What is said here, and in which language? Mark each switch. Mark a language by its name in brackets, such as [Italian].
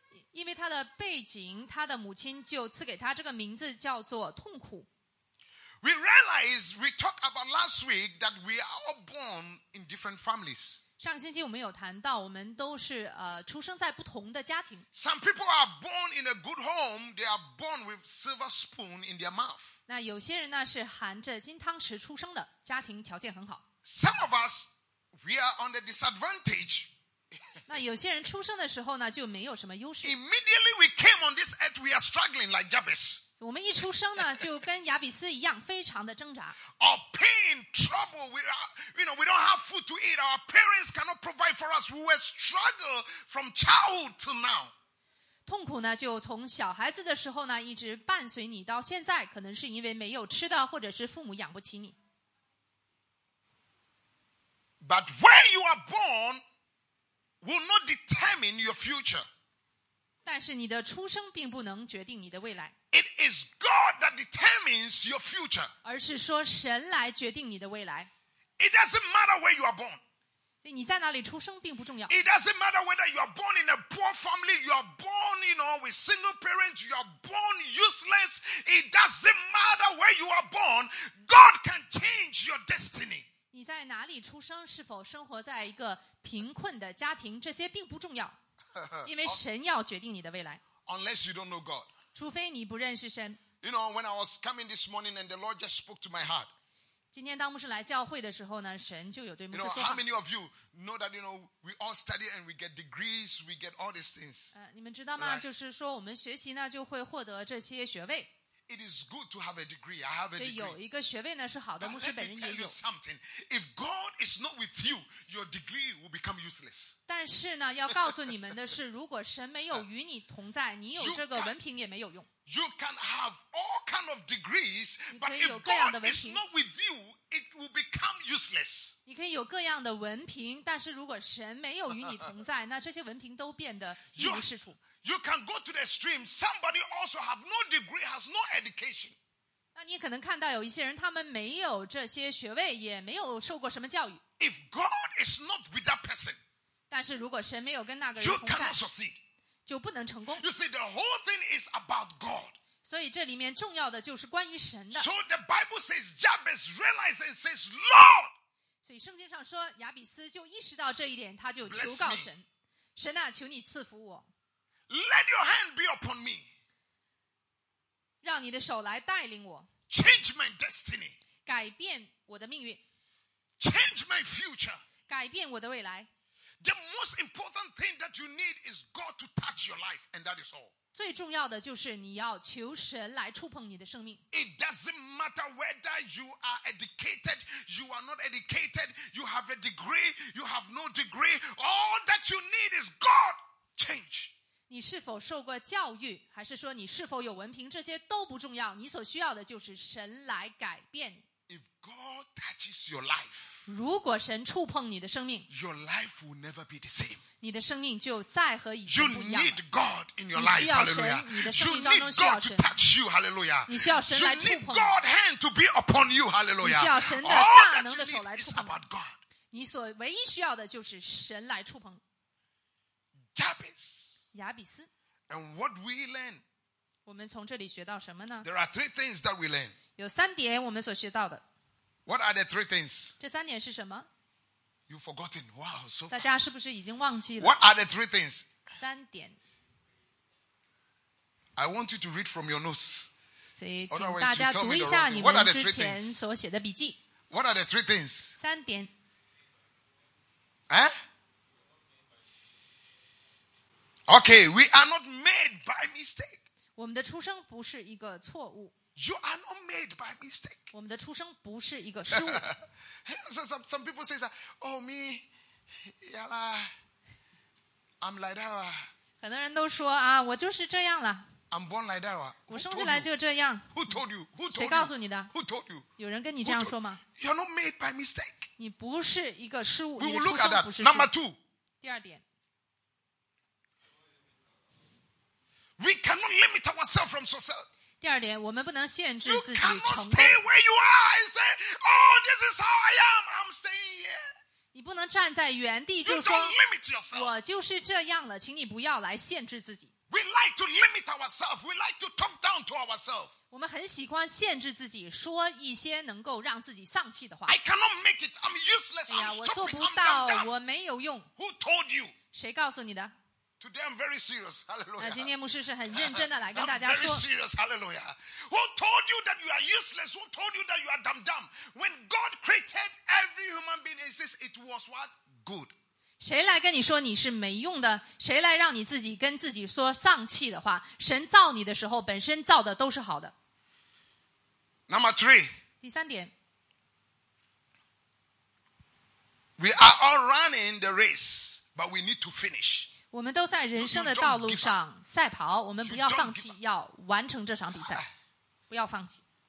[Chinese] 因为他的背景，他的母亲就赐给他这个名字叫做痛苦。 [English] We realize, we talked about last week, that we are all born in different families. [Chinese] 上星期我们有谈到，我们都是出生在不同的家庭。 [English] Some people are born in a good home, they are born with silver spoon in their mouth. [Chinese] 那有些人呢，是含着金汤匙出生的，家庭条件很好。 [English] Some of us, we are on the disadvantage. [Chinese] 那有些人出生的时候呢，就没有什么优势。 [English] Immediately we came on this earth, we are struggling like Jabez. [Chinese] 我们一出生呢，就跟亚比斯一样，非常的挣扎。 [English] Our pain, trouble, we are, you know, we don't have food to eat. Our parents cannot provide for us. We were struggle from childhood till now. [Chinese] 痛苦呢，就从小孩子的时候呢，一直伴随你到现在，可能是因为没有吃的，或者是父母养不起你。 [English] But where you are born will not determine your future. [Chinese] 但是你的出生并不能决定你的未来。 [English] It is God that determines your future. [Chinese] 而是说神来决定你的未来。 [English] It doesn't matter where you are born. [Chinese] 所以你在哪里出生并不重要。 [English] It doesn't matter whether you are born in a poor family, you are born, you know, with single parents, you are born useless. It doesn't matter where you are born. God can change your destiny. [Chinese] 你在哪里出生，是否生活在一个贫困的家庭，这些并不重要。因为神要决定你的未来。 [English] Unless you don't know God. [Chinese] 除非你不认识神。 [English] You know, when I was coming this morning and the Lord just spoke to my heart. [Chinese] 今天当牧师来教会的时候呢，神就有对牧师说话。 [English] You know, how many of you know that, you know, we all study and we get degrees, we get all these things? [Chinese] 你们知道吗？就是说我们学习呢，就会获得这些学位。 [English] It is good to have a degree. I have a degree. [Chinese] 所以有一个学位呢是好的，牧师本人也有。 [English] But let me tell you something. If God is not with you, your degree will become useless. [Chinese] 但是呢，要告诉你们的是，如果神没有与你同在，你有这个文凭也没有用。 [English] You can have all kind of degrees, but if God is not with you, it will become useless. [Chinese] 你可以有各样的文凭，但是如果神没有与你同在，那这些文凭都变得一无是处。 [English] You can go to the extreme. Somebody also have no degree, has no education. [Chinese] 那你可能看到有一些人，他们没有这些学位，也没有受过什么教育。 [English] If God is not with that person, [Chinese] 但是如果神没有跟那个人同在， [English] you cannot succeed. [Chinese] 就不能成功。 [English] You see, the whole thing is about God. [Chinese] 所以这里面重要的就是关于神的。 [English] So the Bible says Jabez realized and says, Lord. [Chinese] 所以圣经上说，亚比斯就意识到这一点，他就求告神，神啊，求你赐福我。 [English] Let your hand be upon me. [Chinese] 让你的手来带领我。 [English] Change my destiny. [Chinese] 改变我的命运。 [English] Change my future. [Chinese] 改变我的未来。 [English] The most important thing that you need is God to touch your life, and that is all. [Chinese] 最重要的就是你要求神来触碰你的生命。 [English] It doesn't matter whether you are educated, you are not educated, you have a degree, you have no degree. All that you need is God. Change. [Chinese] 你是否受过教育，还是说你是否有文凭，这些都不重要，你所需要的就是神来改变你。 [English] If God touches your life, [Chinese] 如果神触碰你的生命， [English] your life will never be the same. [Chinese] 你的生命就再和以前不一样 [English] 了。You need God in your life, hallelujah. [Chinese] 你的生命当中需要神。 [English] You need God to touch you, hallelujah. [Chinese] 你需要神来触碰。 [English] You need God's hand to be upon you, hallelujah. [Chinese] 你需要神的大能的手来触碰。 [English] All that you need is about God. [Chinese] 你所唯一需要的就是神来触碰。 [English] Jabez. [Chinese] 亚比斯。 [English] And what we learn? [Chinese] 我们从这里学到什么呢？ [English] There are three things that we learn. [Chinese] 有三点我们所学到的。 [English] What are the three things? [Chinese] 这三点是什么？ [English] You've forgotten. Wow, so fast. [Chinese] 大家是不是已经忘记了？ [English] What are the three things? [Chinese] 三点。 [English] I want you to read from your notes. [Chinese] 所以请大家读一下你们之前所写的笔记。 [English] What are the three things? [Chinese] 三点。 Eh? [English] Okay, we are not made by mistake. [Chinese] 我们的出生不是一个错误。 [English] You are not made by mistake. [Chinese] 我们的出生不是一个失误。 [English] some people say that, oh me, yeah lah, I'm like that. [Chinese] 很多人都说啊，我就是这样了。 [English] I'm born like that. [Chinese] 我生出来就这样。 [English] Who told you? Who told you? [Chinese] 谁告诉你的？ [English] Who told you? [Chinese] 有人跟你这样说吗？ [English] You're not made by mistake. [Chinese] 你不是一个失误。 [English] We will look at that. Number two. [Chinese] 第二点。 [English] We cannot limit ourselves from success. [Chinese] 第二点，我们不能限制自己成功。 [English] You cannot stay where you are and say, "Oh, this is how I am. I'm staying here." [Chinese] 你不能站在原地就说 [English] "You don't limit yourself." [Chinese] 我就是这样了，请你不要来限制自己。 [English] We like to limit ourselves. We like to talk down to ourselves. [Chinese] 我们很喜欢限制自己，说一些能够让自己丧气的话。 [English] I cannot make it. I'm useless. I'm stupid. [Chinese] 我做不到，我没有用。 [English] Who told you? [Chinese] 谁告诉你的？ [English] Today I'm very serious. Hallelujah. [Chinese] 那今天牧师是很认真的来跟大家说。 [English] I'm very serious. Hallelujah. Who told you that you are useless? Who told you that you are dumb dumb? When God created every human being, he says it was what? Good. [Chinese] 谁来跟你说你是没用的？谁来让你自己跟自己说丧气的话？神造你的时候，本身造的都是好的。 [English] Number three. [Chinese] 第三点。 [English] We are all running the race, but we need to finish. [Chinese] 我们都在人生的道路上赛跑，我们不要放弃，要完成这场比赛，不要放弃。